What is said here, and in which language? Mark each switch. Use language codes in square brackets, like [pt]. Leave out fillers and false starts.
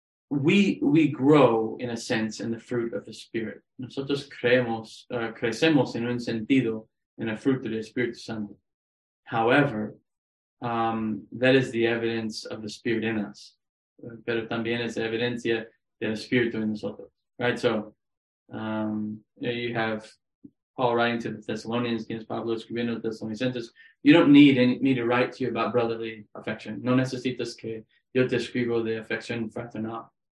[en] We grow, in a sense, in the fruit of the Spirit. [es] Nosotros crecemos en un sentido en el fruto del Espíritu Santo. [en] However, that is the evidence of the Spirit in us. [es] Pero también es evidencia del Espíritu en nosotros. [en] Right, so you have Paul writing to the Thessalonians, [es] tienes Pablo escribiendo a los Thessalonicenses. [en] You don't need me to write to you about brotherly affection. [es] No necesitas que yo te escribo de afección fraternal.